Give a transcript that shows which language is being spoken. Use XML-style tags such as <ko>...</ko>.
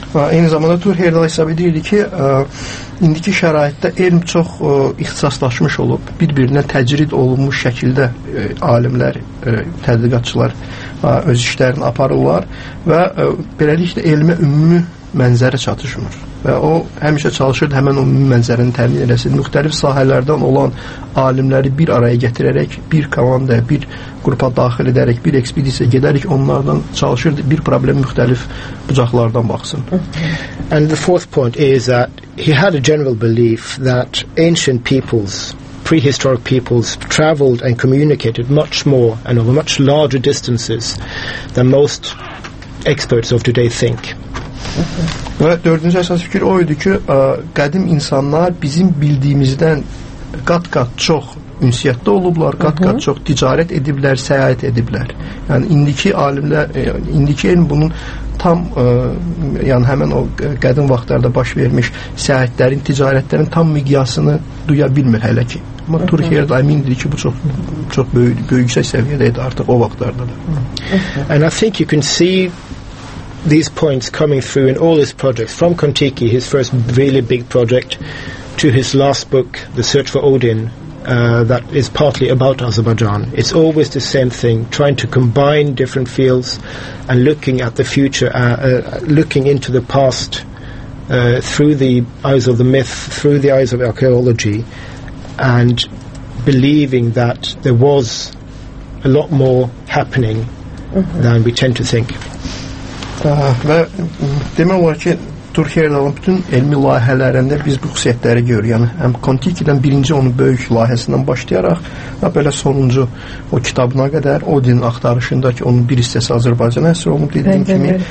<az>Eyni zamanda Tor Heyerdahl hesab edirdi ki, indiki şəraitdə elm çox ixtisaslaşmış olub, bir-birinə təcrid olunmuş şəkildə alimlər, tədqiqatçılar öz işlərini aparırlar və beləliklə elmə ümumi mənzərə çatışmır. Və o həmişə çalışırdı həmin o ümumi mənzərəni təmin eləsin. Müxtəlif sahələrdən olan alimləri bir araya gətirərək, bir komandaya, bir qrupa daxil edərək, bir ekspedisiya gedərək, onlardan çalışırdı bir problem müxtəlif bucaqlardan baxsın.</az> <en>And the fourth point is that he had a general belief that ancient peoples, prehistoric peoples, travelled and communicated much more and over much larger distances than most experts of today think.</en> <az>Və dördüncü əsas fikir o idi ki, qədim insanlar bizim bildiyimizdən qat-qat çox ünsiyyətdə olublar, qat-qat çox ticarət ediblər, səyahət ediblər. Yəni indiki alimlər, indiki elm bunun tam yəni həmin o qədim vaxtlarda baş vermiş səyahətlərin, ticarətlərin tam miqyasını duya bilmir hələ ki. Amma Tor Heyerdahl əmin idi ki, bu çox çox böyük yüksək səviyyədə idi artıq o vaxtlarda da.</az> <en>And I think you can see these points coming through in all his projects, from Kon-Tiki, his first really big project, to his last book, The Search for Odin, that is partly about Azerbaijan. It's always the same thing, trying to combine different fields and looking at the future, looking into the past through the eyes of the myth, through the eyes of archaeology, and believing that there was a lot more happening than we tend to think.</en> <az>Və demək olar ki, Tor Heyerdahlın bütün elmi layihələrində biz bu xüsusiyyətləri görürük. Yəni, həm Kon-Tikidən birinci onun böyük layihəsindən başlayaraq, belə sonuncu o kitabına qədər, Odinin axtarışındakı onun bir hissəsi Azərbaycana əsr olunub dediyim kimi.</az>